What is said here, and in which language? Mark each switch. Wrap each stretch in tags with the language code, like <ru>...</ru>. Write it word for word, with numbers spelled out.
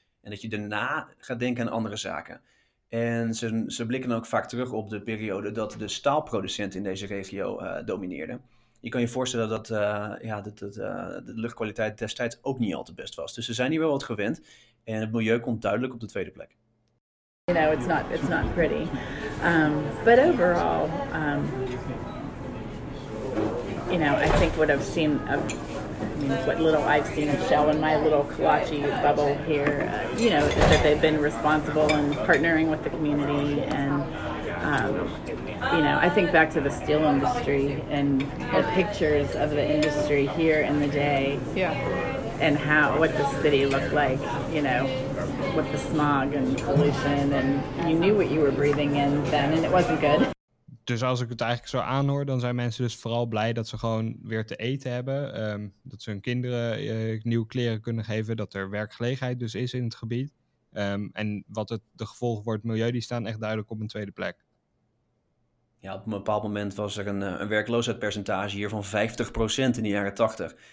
<nl>En dat je daarna gaat denken aan andere zaken. En ze, ze blikken ook vaak terug op de periode dat de staalproducenten in deze regio uh, domineerden. Je kan je voorstellen dat, uh, ja, dat, dat uh, de luchtkwaliteit destijds ook niet al te best was. Dus ze zijn hier wel wat gewend en het milieu komt duidelijk op de tweede plek.</nl> <en>You know, it's not, it's not pretty. Um, but overall, um, you know, I think what I've seen, I've, I mean, what little I've seen Shell in my little Kalachi bubble here, uh, you know, is that they've been responsible and partnering with the community. And, um, you know, I think back to the steel industry and the pictures of the industry here in the day. Yeah. And how, what the city looked like, you know, with the smog and pollution. And you knew what you were breathing in then, and it wasn't good.</en> <nl>Dus als ik het eigenlijk zo aanhoor, dan zijn mensen dus vooral blij dat ze gewoon weer te eten hebben. Um, dat ze hun kinderen uh, nieuwe kleren kunnen geven. Dat er werkgelegenheid dus is in het gebied. Um, en wat het, de gevolgen voor het milieu, die staan echt duidelijk op een tweede plek. Ja, op een bepaald moment was er een, een werkloosheidspercentage hier van vijftig procent in de jaren tachtig.</nl>